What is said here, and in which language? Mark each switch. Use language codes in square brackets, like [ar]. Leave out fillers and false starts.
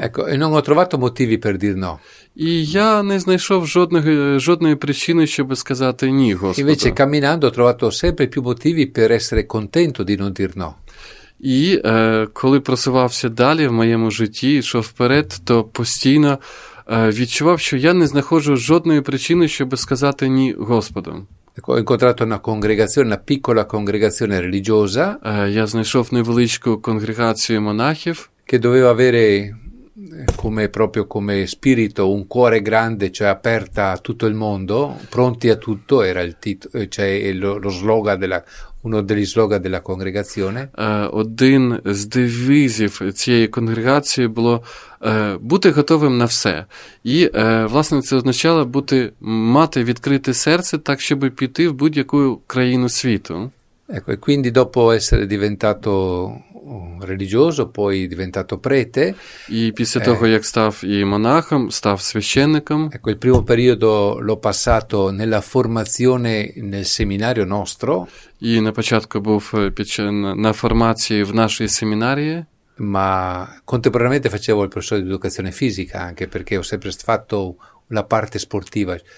[it] Ecco, e non ho trovato motivi per dir no. [uk] І я не знайшов жодної причини, щоб сказати ні, Господу. [it] Invece camminando ho trovato sempre più motivi per essere contento di non dir no. [uk] І коли просувався далі в моєму житті, йшов вперед, то постійно відчував, що я не знаходжу жодної причини, щоб сказати ні Господу. [it] Ho incontrato una congregazione, una piccola congregazione religiosa. [uk] Я знайшов невеличку конгрегацію монахів, [it] che doveva avere come proprio come spirito un cuore grande, cioè aperta a tutto il mondo, pronti a tutto, era il titolo, cioè lo slogan della uno degli slogan della congregazione. [uk] Один з девізів цієї конгрегації було бути готовим на все. І, власне, це означало бути, мати відкрите серце так, щоб піти в будь-яку країну світу. [it] Ecco, e quindi dopo essere diventato religioso, poi diventato prete. [uk] І після того, як став і монахом, став священником. [it] Ecco, il primo periodo l'ho passato nella formazione nel seminario nostro. [uk] І на початку був на формації в нашій семінарії. [it] Ma contemporaneamente facevo il professore di educazione fisica, anche perché ho sempre fatto la parte sportiva.